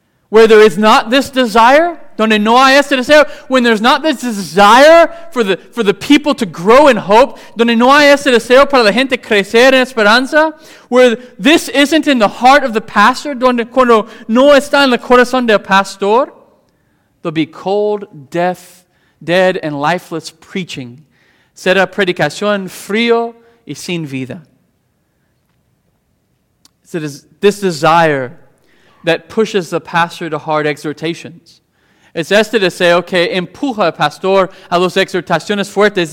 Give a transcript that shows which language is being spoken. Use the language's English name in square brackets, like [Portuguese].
[English] Where there is not this desire, [Spanish] donde no hay este deseo, [English] when there's not this desire for the people to grow in hope, [Spanish] donde no hay este deseo para la gente crecer en esperanza, [English] where this isn't in the heart of the pastor, [Spanish] donde cuando no está en el corazón del pastor, [English] there'll be cold, deaf, dead, and lifeless preaching. [Spanish] Será predicación frío y sin vida. [English] So it is this desire that pushes the pastor to hard exhortations. [Spanish] It's este deseo que empuja al pastor a las exhortaciones fuertes.